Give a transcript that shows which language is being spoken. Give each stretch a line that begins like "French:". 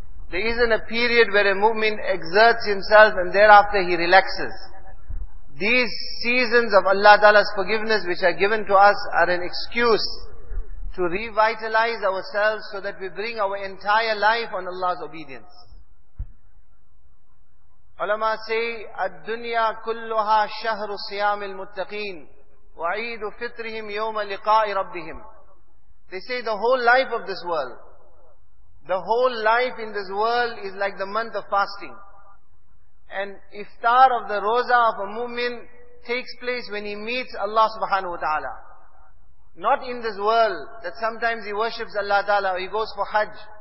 English: There isn't a period where a mu'min exerts himself and thereafter he relaxes. These seasons of Allah Ta'ala's forgiveness which are given to us are an excuse to revitalize ourselves so that we bring our entire life on Allah's obedience. Ulama say,
Arabic: الدُّنْيَا كُلُّهَا شَهْرُ صِيَامِ الْمُتَّقِينَ وَعِيدُ فِطْرِهِمْ يَوْمَ لِقَاءِ رَبِّهِمْ.
English: They say the whole life of this world, the whole life in this world is like the month of fasting. And iftar of the roza of a mu'min takes place when he meets Allah subhanahu wa ta'ala. Not in this world that sometimes he worships Allah ta'ala or he goes for hajj.